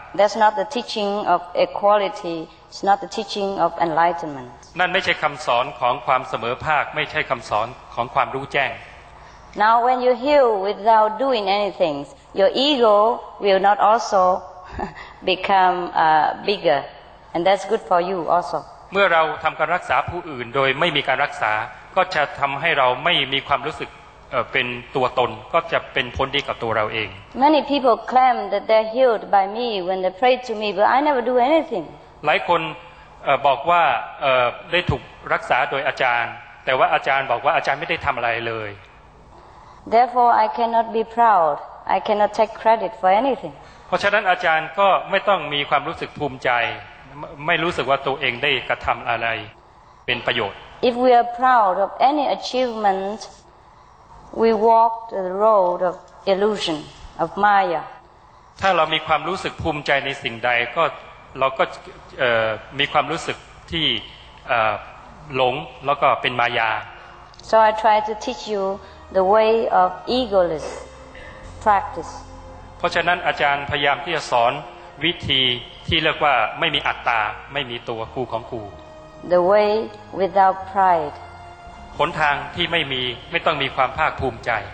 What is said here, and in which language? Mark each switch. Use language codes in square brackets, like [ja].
[en] That's not the teaching of equality It's not the teaching of enlightenment [th] นั่นไม่ใช่คำสอนของความเสมอภาคไม่ใช่คำสอนของความรู้แจ้ง [en] Now when you heal without doing anything your ego will not also become bigger and that's good for you also [th] เมื่อเราทำการรักษาผู้อื่นโดยไม่มีการรักษาก็จะทำให้เราไม่มีความรู้สึกเป็นตัวตนก็จะเป็นผลดีกับตัวเราเอง [en] Many people claim that they're healed by me when they pray to me but I never do anything [th] หลายคนบอกว่าได้ถูกรักษาโดยอาจารย์แต่ว่าอาจารย์บอกว่าอาจารย์ไม่ได้ทำอะไรเลย [en] Therefore I cannot be proud I cannot take credit for anything [th] เพราะฉะนั้นอาจารย์ก็ไม่ต้องมีความรู้สึกภูมิใจไม่รู้สึกว่าตัวเองได้กระทำอะไรเป็นประโยชน์ [en] If we are proud of any achievementWe walked the road of illusion of Maya. [th] ถ้าเรามีความรู้สึกภูมิใจในสิ่งใดก็เราก็มีความรู้สึกที่หลงแล้วก็เป็นมายา [en] So I try to teach you the way of egoless practice. [th] เพราะฉะนั้นอาจารย์พยายามที่จะสอนวิธีที่เรียกว่าไม่มีอัตตาไม่มีตัวกูของกู [en] The way without pride. [th] หนทางที่ไม่มีไม่ต้องมีความภาคภูมิใ